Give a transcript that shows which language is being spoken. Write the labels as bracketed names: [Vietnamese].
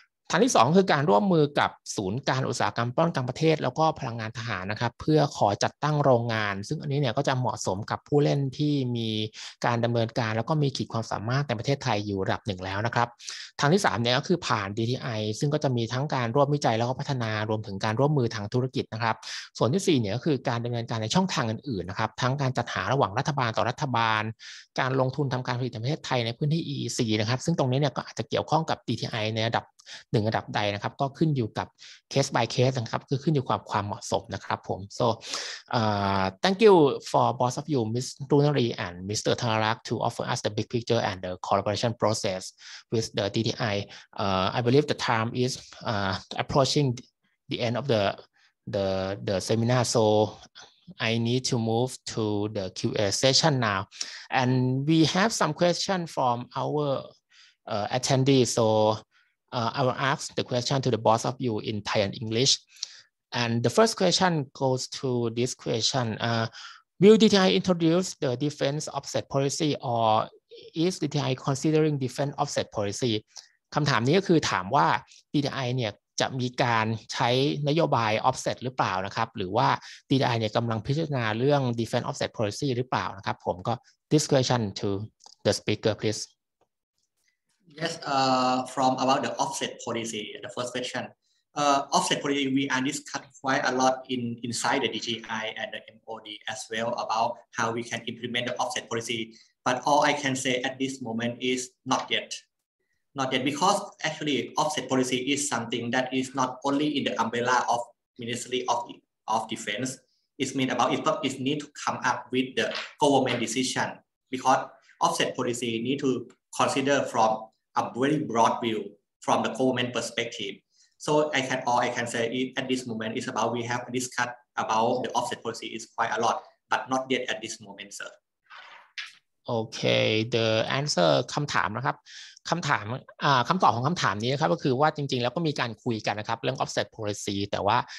[Thai] ทางที่2คือการร่วมมือกับศูนย์การอุตสาหกรรมป้องกันประเทศแล้วก็พลังงานทหารนะครับเพื่อขอจัดตั้งโรงงานซึ่งอันนี้เนี่ยก็จะเหมาะสมกับผู้เล่นที่มีการดำเนินการแล้วก็มีขีดความสามารถในประเทศไทยอยู่ระดับหนึ่งแล้วนะครับทางที่3เนี่ยก็คือผ่าน DTI ซึ่งก็จะมีทั้งการร่วมวิจัยแล้วก็พัฒนารวมถึงการร่วมมือทางธุรกิจนะครับส่วนที่4เนี่ยก็คือการดำเนินการในช่องทางอื่นๆนะครับทั้งการจัดหาระหว่างรัฐบาลต่อรัฐบาล การลงทุนทำการผลิตในประเทศไทยในพื้นที่ EEC นะครับซึ่งตรงนี้เนี่ยก็อาจจะเกี่ยวข้องกับ DTI ในระดับหนึ่งระดับใดนะครับก็ขึ้นอยู่กับเคส by เคสนะครับคือขึ้นอยู่กับความเหมาะสมนะครับผม [English] so thank you for both of you Ms. Runari and Mr. Thanarak to offer us the big picture and the collaboration process with the DTI I believe the time is approaching the end of the seminar soI need to move to the Q&A session now, and we have some question from our attendees. So I will ask the question to the both of you in Thai and English. And the first question goes to this question: Will DTI introduce the defense offset policy, or is DTI considering defense offset policy? [Thai] คำถามนี้ก็คือถามว่า DTI เนี่ยจะมีการใช้นโยบาย offset หรือเปล่านะครับหรือว่า DTI เนี่ยกำลังพิจารณาเรื่อง defense offset policy หรือเปล่านะครับผมก็ [English] this question to the speaker please yes from about the offset policy the first question offset policy we are discussed quite a lot inside the DTI and the MOD as well about how we can implement the offset policy but all I can say at this moment is not yet because actually offset policy is something that is not only in the umbrella of Ministry of Defense. It means about it need to come up with the government decision because offset policy need to consider from a very broad view from the government perspective. So I can say it at this moment is about we have discussed about the offset policy is quite a lot, but not yet at this moment, sir. [Thai] โอเค [English] the answer [Thai] คำถามนะครับคำตอบของคำถามนี้นะครับก็คือว่าจริงๆแล้วก็มีการคุยกันนะครับเรื่อง offset policy แต่ว่า